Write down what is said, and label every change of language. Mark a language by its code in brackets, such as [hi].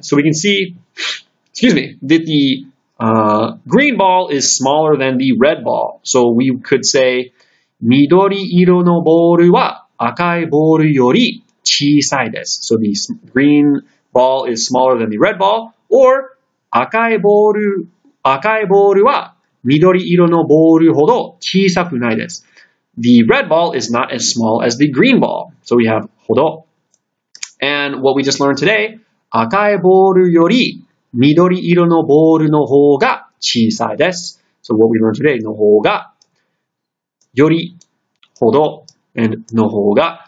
[en] So we can see, that the green ball is smaller than the red ball. So we could say [ja] 緑色のボールは赤いボールより小さいです。 [en] So the green ball is smaller than the red ball. [ja] Or 赤いボールは緑色のボールほど小さくないです。 [en] The red ball is not as small as the green ball. So we have ほど.And what we just learned today, [ja] 赤いボールより緑色のボールの方が小さいです。 [en] So what we learned today, の方がよりほど and の方が.